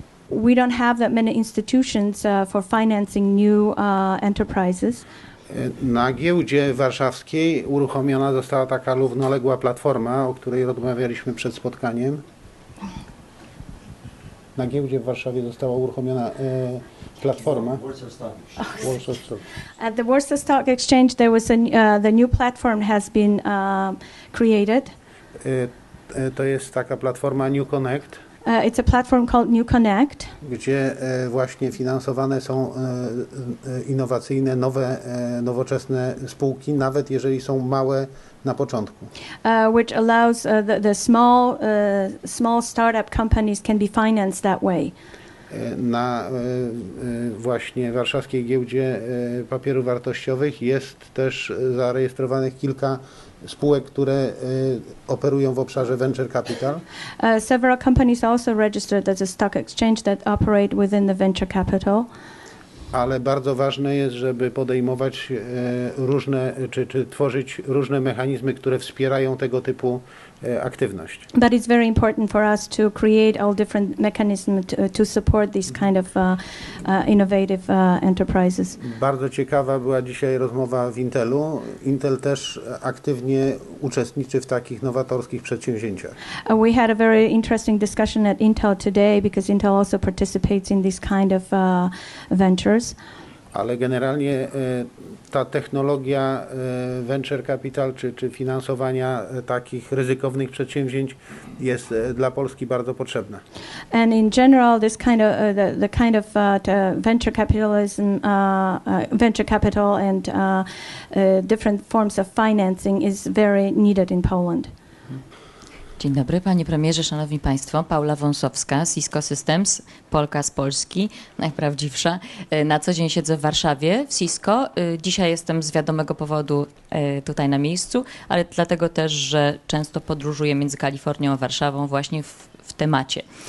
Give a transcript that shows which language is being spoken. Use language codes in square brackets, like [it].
[en] We don't have that many institutions for financing new enterprises. [pl] Na giełdzie warszawskiej uruchomiona została taka równoległa platforma, o której rozmawialiśmy przed spotkaniem. Na giełdzie w Warszawie została uruchomiona platforma. [en] Warsaw Stock Exchange. At the Warsaw Stock Exchange there was the new platform has been created. [pl] To jest taka platforma New Connect. [en] It's a platform called New Connect. [pl] Gdzie właśnie finansowane są innowacyjne, nowe, nowoczesne spółki, nawet jeżeli są małe na początku. [en] Which allows the small startup companies can be financed that way. [pl] Na właśnie warszawskiej giełdzie papierów wartościowych jest też zarejestrowanych kilka spółek, które operują w obszarze venture capital. [en] Several companies also registered as a stock exchange that operate within the venture capital. [pl] Ale bardzo ważne jest, żeby podejmować różne, czy tworzyć różne mechanizmy, które wspierają tego typu aktywność. [en] But it's very important for us to create all different mechanisms to support these kind of innovative enterprises. [pl] Bardzo ciekawa była dzisiaj rozmowa w Intelu. Intel też aktywnie uczestniczy w takich nowatorskich przedsięwzięciach. [en] We had a very interesting discussion at Intel today because Intel also participates in these kind of ventures. [pl] Ale generalnie ta technologia venture capital czy finansowania takich ryzykownych przedsięwzięć jest dla Polski bardzo potrzebna. [en] And in general this kind of the kind of venture capitalism venture capital and different forms of financing is very needed in Poland. [pl] Dzień dobry, panie premierze, szanowni państwo. Paula Wąsowska z Cisco Systems, Polka z Polski, najprawdziwsza. Na co dzień siedzę w Warszawie, w Cisco. Dzisiaj jestem z wiadomego powodu tutaj na miejscu, ale dlatego też, że często podróżuję między Kalifornią a Warszawą właśnie w temacie.